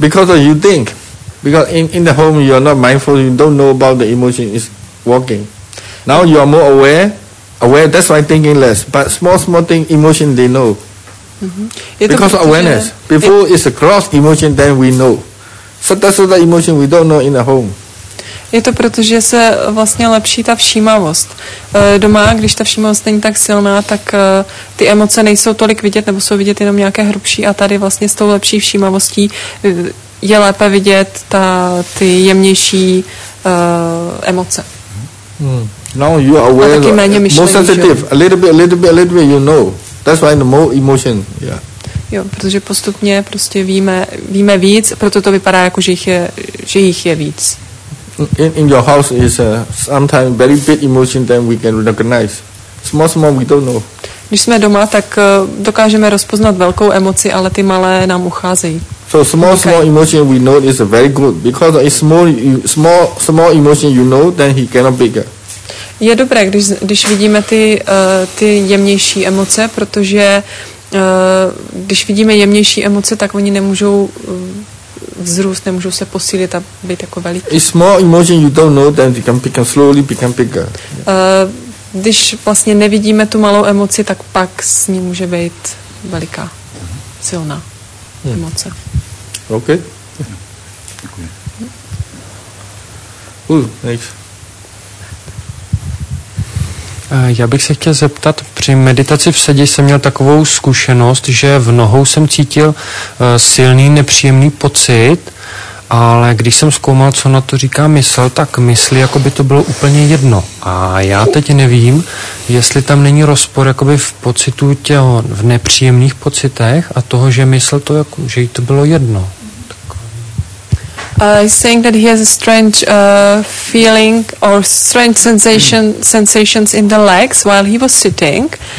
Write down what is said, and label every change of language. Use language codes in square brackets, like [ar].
[en] Because you think, because in the home you are not mindful, you don't know about the emotion is working. Now you are more aware, that's why thinking less. But small thing, emotion, they know. Mm-hmm. Because of awareness. Before it's a cross emotion, then we know. So that's the emotion we don't know in the home. [cs] Je to proto, že se vlastně lepší ta všímavost. Doma, když ta všímavost není tak silná, tak ty emoce nejsou tolik vidět, nebo jsou vidět jenom nějaké hrubší, a tady vlastně s tou lepší všímavostí je lépe vidět ty jemnější emoce. [en] Hmm. Now you are aware, [cs] taky méně myšlení, [en] more sensitive, [cs] že? [en] a little bit, you know. That's why the more emotion, yeah. [cs] Jo, protože postupně prostě víme víc, proto to vypadá jako, že jich je víc. [en] In your house is sometimes very big emotion that we can recognize. Small we don't know. [cs] Když jsme doma, tak dokážeme rozpoznat velkou emoci, ale ty malé nám ucházejí. [en] So small emotion we know is very good, because it's small emotion you know, then he cannot bigger. [cs] Je dobré, když vidíme ty jemnější emoce, protože když vidíme jemnější emoce, tak oni nemůžou vzrůst, nemůžou se posílit a být jako veliký. [en] It's small emotion you don't know, then become bigger, slowly become bigger. [cs] Když vlastně nevidíme tu malou emoci, tak pak s ní může být veliká, silná emoce. [en] Okay. Yeah. [cs] Děkuji. [en] Thanks. [cs] Já bych se chtěl zeptat, při meditaci v sedě jsem měl takovou zkušenost, že v nohou jsem cítil silný, nepříjemný pocit, ale když jsem zkoumal, co na to říká mysl, tak mysli, jako by to bylo úplně jedno. A já teď nevím, jestli tam není rozpor jakoby v pocitu těho, v nepříjemných pocitech a toho, že mysl to, jako, že jí to bylo jedno. [en] He's saying that he has a strange feeling or strange sensations in the legs while he was sitting.